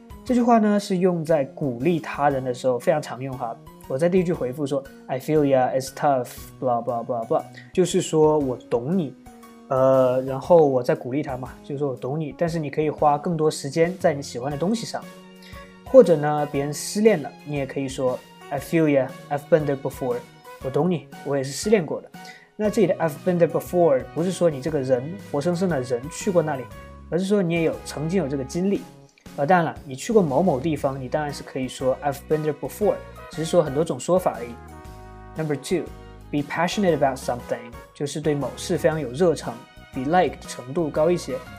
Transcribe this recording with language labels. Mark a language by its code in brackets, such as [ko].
[zh] 这句话呢是用在鼓励他人的时候非常常用哈。我在第一句回复说 [en] I feel ya, it's tough, blah blah [zh] blah blah 就是说我懂你，然后我在鼓励他嘛，就是说我懂你，但是你可以花更多时间在你喜欢的东西上。或者呢别人失恋了，你也可以说 [en] I feel ya, I've been there before。 [zh] 我懂你，我也是失恋过的。那这里的 [en] I've been there before [zh] 不是说你这个人活生生的人去过那里，而是说你也有曾经有这个经历。当然了，你去过某某地方，你当然是可以说 [en] I've been there before， [zh] 只是说很多种说法而已。 [en] Number two, be passionate about something, [zh] 就是对某事非常有热忱，比 like 的程度高一些。